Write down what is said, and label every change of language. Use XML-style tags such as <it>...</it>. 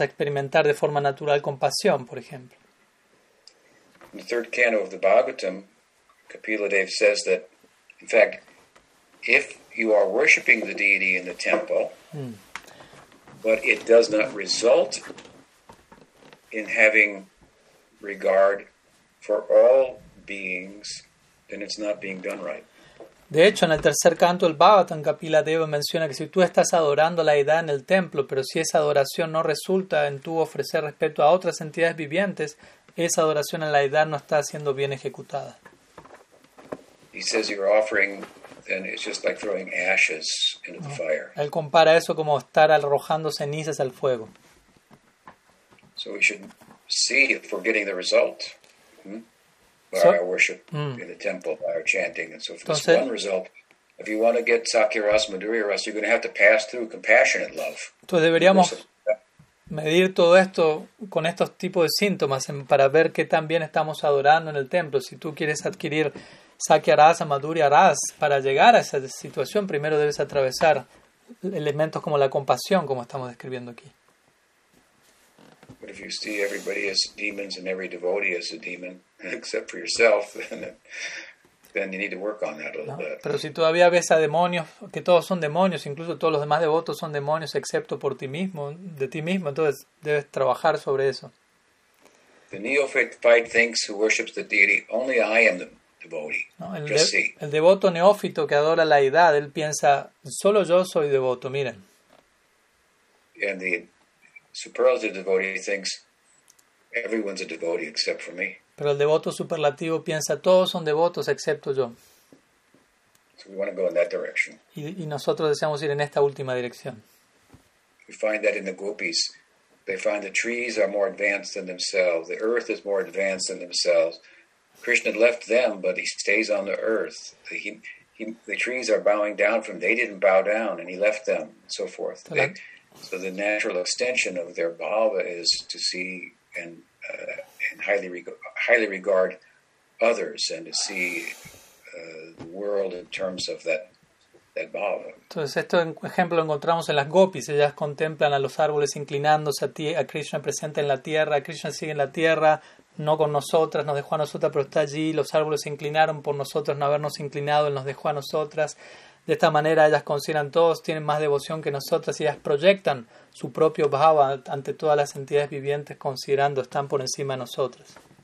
<es>a experimentar de forma natural compasión, por ejemplo. En el tercer canto del Bhagavatam, Kapiladeva dice que, en</es> <en>fact,</en> <es>si</es> <en>you are worshiping the deity in the temple, but it does not result in having regard for all beings, then it's not being done right.</en> <es>De hecho, en el tercer canto del Bhagavatam, Kapila Deva menciona que si tú estás adorando a la deidad en el templo, pero si esa adoración no resulta en tu ofrecer respeto a otras entidades vivientes, esa adoración a la deidad no está siendo bien ejecutada.</es> <en>He says you're offering, then it's just like throwing ashes into the fire.</en> <es>Él compara eso como estar arrojando cenizas al fuego.</es> <en>So we should see if we're getting the result by our worship in the temple, by our chanting, and so forth.</en> <es>Entonces,</es> <en>one result. If you want to get Sakya Ras, Madhurya Ras, you're going to have to pass through compassionate love.</en> <es>Entonces deberíamos medir todo esto con estos tipos de síntomas para ver qué tan bien estamos adorando en el templo. Si tú quieres adquirir Sakya Ras, Madhurya Ras, para llegar a esa situación, primero debes atravesar elementos como la compasión, como estamos describiendo aquí.</es> <en>But if you see everybody as demons and every devotee as a demon, except for yourself, then you need to work on that a little bit.</en> <es>Pero si todavía ves a demonios, que todos son demonios, incluso todos los demás devotos son demonios, excepto por ti mismo, de ti mismo, entonces debes trabajar sobre eso.</es> <en>The neophyte thinks who worships the deity, only I am the devotee.</en> <es>No, el devoto neófito que adora la deidad, él piensa, solo yo soy devoto, miren.</es> <en>And the superlative devotee thinks everyone's a devotee except for me.</en> <es>Pero el devoto superlativo piensa todos son devotos excepto yo.</es> <en>So we want to go in that direction.</en> <es>Y nosotros deseamos ir en esta última dirección.</es> <en>We find that in the gopis, They find the trees are more advanced than themselves. The earth is more advanced than themselves. Krishna left them, but he stays on the earth. The trees are bowing down from, they didn't bow down, and he left them, and so forth. Okay. So the natural extension of their bhava is to see and highly regard others, and to see the world in terms of that bhava.</en> <es>Entonces, esto ejemplo lo encontramos en las gopis. Ellas contemplan a los árboles inclinándose a Krishna presente en la tierra. Krishna sigue en la tierra, no con nosotras, nos dejó a nosotras, pero está allí. Los árboles se inclinaron por nosotros, no habernos inclinado, él nos dejó a nosotras. De esta manera, ellas consideran todos, tienen más devoción que nosotras, y ellas proyectan su propio bhava ante todas las entidades vivientes, considerando están por encima de nosotras.</es>